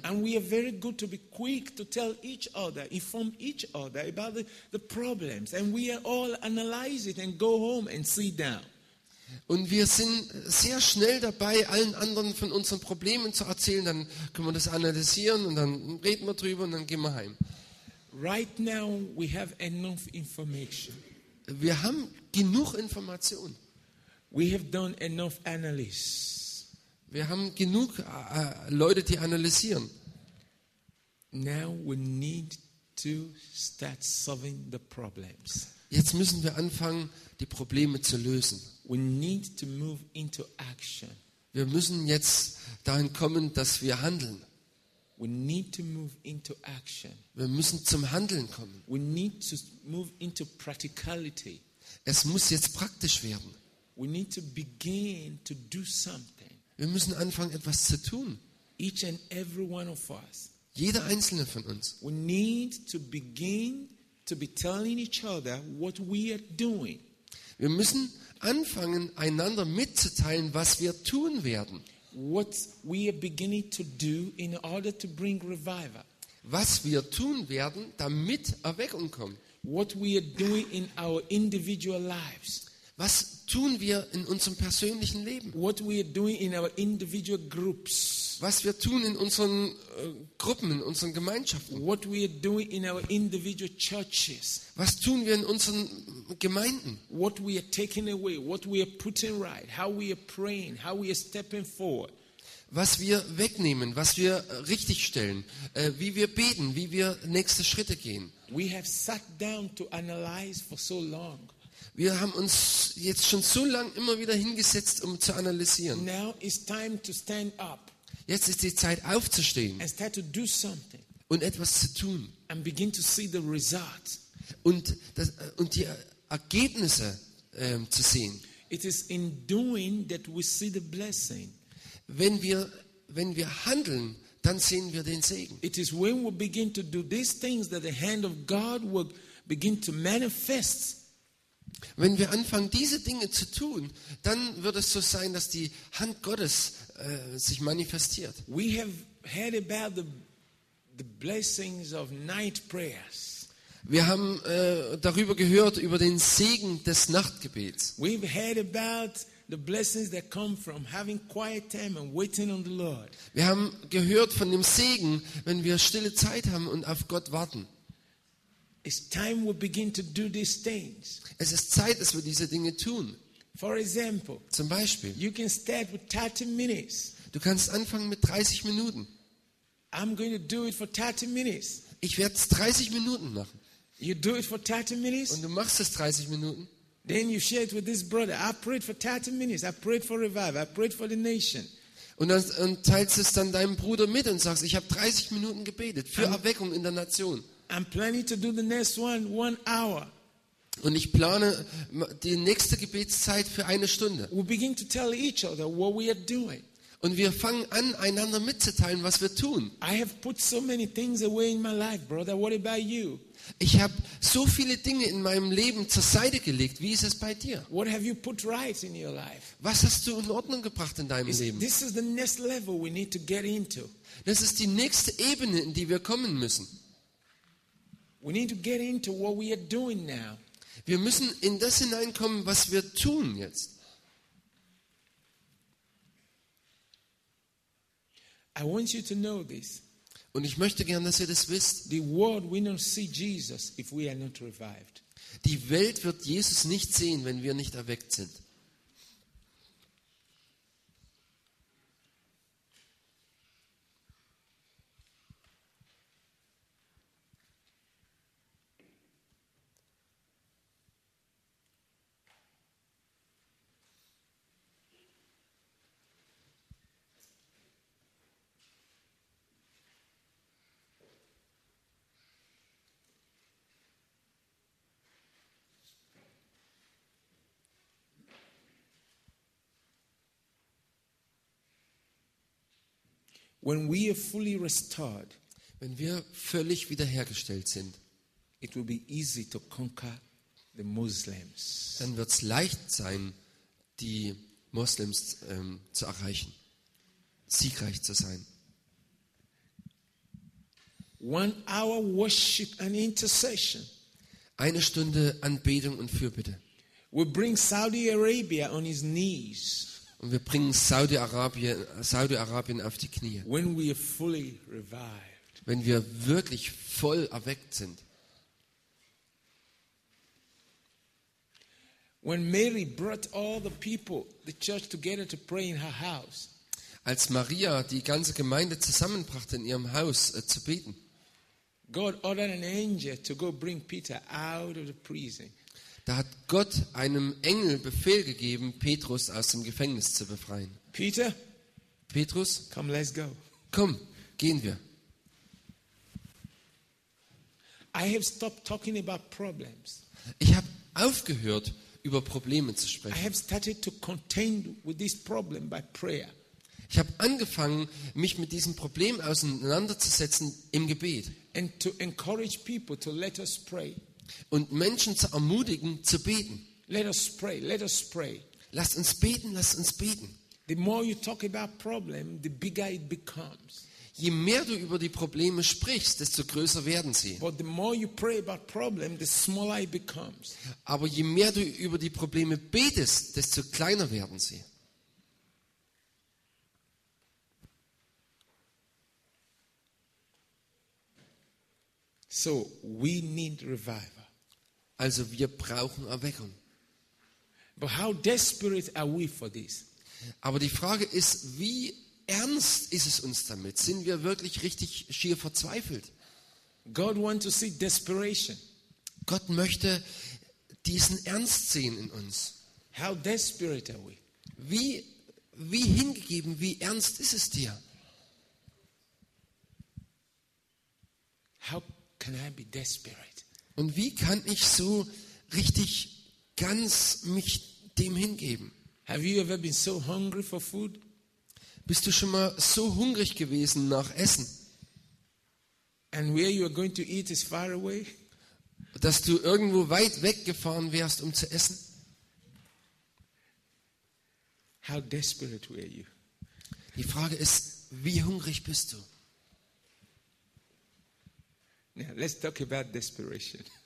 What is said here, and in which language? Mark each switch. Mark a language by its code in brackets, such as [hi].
[en] And we are very good to be quick to tell each other, inform each other about the problems, and we are all analyze it and go home and sit down. [de] Und wir sind sehr schnell dabei, allen anderen von unseren Problemen zu erzählen. Dann können wir das analysieren und dann reden wir drüber und dann gehen wir heim. [en] Right now we have enough information. [de] Wir haben genug Information. [en] We have done enough analysis. [de] Wir haben genug Leute, die analysieren. [en] Now we need to start solving the problems. [de] Jetzt müssen wir anfangen, die Probleme zu lösen. [en] We need to move into action. [de] Wir müssen jetzt dahin kommen, dass wir handeln. [en] We need to move into action. [de] Wir müssen zum Handeln kommen. [en] We need to move into practicality. [de] Es muss jetzt praktisch werden. [en] We need to begin to do something. [de] Wir müssen anfangen, etwas zu tun. [en] Each and every one of us. [de] Jeder einzelne von uns. [en] We need to begin to be telling each other what we are doing. [de] Wir müssen anfangen, einander mitzuteilen, was wir tun werden. [en] What we are beginning to do in order to bring revival. [de] Was wir tun werden, damit Erweckung kommt. [en] What we are doing in our individual lives. [de] Was tun wir in unserem persönlichen Leben? [en] What we are doing in our individual groups. [de] Was wir tun in unseren Gruppen, in unseren Gemeinschaften. [en] What we are doing in our individual churches. [de] Was tun wir in unseren Gemeinden? [en] What we are taking away, what we are putting right, how we are praying, how we are stepping forward. [de] Was wir wegnehmen, was wir richtigstellen, wie wir beten, wie wir nächste Schritte gehen. [en] We have sat down to analyze for so long. [de] Wir haben uns jetzt schon so lange immer wieder hingesetzt, um zu analysieren. [en] Now is time to stand up. [de] Jetzt ist die Zeit aufzustehen [en] and start to do something [de] und etwas zu tun [en] and begin to see the result. [de] Und die Ergebnisse zu sehen. [en] It is in doing that we see the blessing. [de] Wenn wir handeln, dann sehen wir den Segen. [en] It is when we begin to do these things that the hand of God will begin to manifest. [de] Wenn wir anfangen, diese Dinge zu tun, dann wird es so sein, dass die Hand Gottes sich manifestiert. [en] We have heard about the blessings of night prayers. [de] Wir haben darüber gehört, über den Segen des Nachtgebets. [en] We've heard about the blessings that come from having quiet time and waiting on the Lord. [de] Wir haben gehört von dem Segen, wenn wir stille Zeit haben und auf Gott warten. [en] It's time we begin to do these things. [de] Es ist Zeit, dass wir diese Dinge tun. [en] For example, [de] zum Beispiel, [en] you can start with 30 minutes. [de] Du kannst anfangen mit 30 Minuten. [en] I'm going to do it for 30 minutes. [de] Ich werde es 30 Minuten machen. [en] You do it for 30 minutes. [de] Und du machst es 30 Minuten. [en] Then you share it with this brother. I prayed for 30 minutes. I prayed for revival. I prayed for the nation. [de] Und teilst es dann deinem Bruder mit und sagst, ich habe 30 Minuten gebetet für Erweckung in der Nation. [en] I'm planning to do the next one hour. [de] Und ich plane die nächste Gebetszeit für eine Stunde. [en] We begin to tell each other what we are doing. [de] Und wir fangen an, einander mitzuteilen, was wir tun. [en] I have put so many things away in my life, brother. What about you? [de] Ich habe so viele Dinge in meinem Leben zur Seite gelegt. Wie ist es bei dir? [en] What have you put right in your life? [de] Was hast du in Ordnung gebracht in deinem Leben? [en] This is the next level we need to get into. [de] Das ist die nächste Ebene, in die wir kommen müssen. [en] We need to get into what we are doing now. [de] Wir müssen in das hineinkommen, was wir tun jetzt. [en] I want you to know this. [de] Und ich möchte gern, dass ihr das wisst. [en] The world will not see Jesus if we are not revived. [de] Die Welt wird Jesus nicht sehen, wenn wir nicht erweckt sind. [en] When we are fully restored, [de] wenn wir völlig wiederhergestellt sind, [en] it will be easy to conquer the Muslims. [de] Dann wird es leicht sein, die Moslems zu erreichen, siegreich zu sein. [en] One hour worship and intercession. [de] Eine Stunde Anbetung und Fürbitte. [en] We bring Saudi Arabia on his knees. [de] Und wir bringen Saudi-Arabien auf die Knie. [en] When we are fully revived. [de] Wenn wir wirklich voll erweckt sind. [en] When Mary brought all the people, the church together to pray in her house. [de] Als Maria die ganze Gemeinde zusammenbrachte in ihrem Haus zu beten. [en] God ordered an angel to go bring Peter out of the prison. [de] Da hat Gott einem Engel Befehl gegeben, Petrus aus dem Gefängnis zu befreien. [en] Peter, [de] Petrus, [en] come, let's go. [de] Komm, gehen wir. [en] I have stopped talking about problems. [de] Ich habe aufgehört, über Probleme zu sprechen. [en] I have started to contend with this problem by prayer. [de] Ich habe angefangen, mich mit diesem Problem auseinanderzusetzen im Gebet. [en] And to encourage people to let us pray. [de] Und Menschen zu ermutigen, zu beten. [en] Let us pray, let us pray. [de] Lasst uns beten, lasst uns beten. [en] The more you talk about problem, the bigger it becomes. [de] Je mehr du über die Probleme sprichst, desto größer werden sie. [en] But the more you pray about problem, the smaller it becomes. [de] Aber je mehr du über die Probleme betest, desto kleiner werden sie. [en] So we need revival. [de] Also wir brauchen Erweckung. [en] But how desperate are we for this? [de] Aber die Frage ist, wie ernst ist es uns damit? Sind wir wirklich richtig schier verzweifelt? [en] God wants to see desperation. [de] Gott möchte diesen Ernst sehen in uns. [en] How desperate are we? [de] Wie hingegeben, wie ernst ist es dir? [en] How can I be desperate? [de] Und wie kann ich so richtig ganz mich dem hingeben? [en] Have you ever been so hungry for food? [de] Bist du schon mal so hungrig gewesen nach Essen? [en] And where you are going to eat is far away? [de] Dass du irgendwo weit weggefahren wärst, um zu essen? [en] How desperate were you? [de] Die Frage ist, wie hungrig bist du? [en] Now, let's talk about desperation.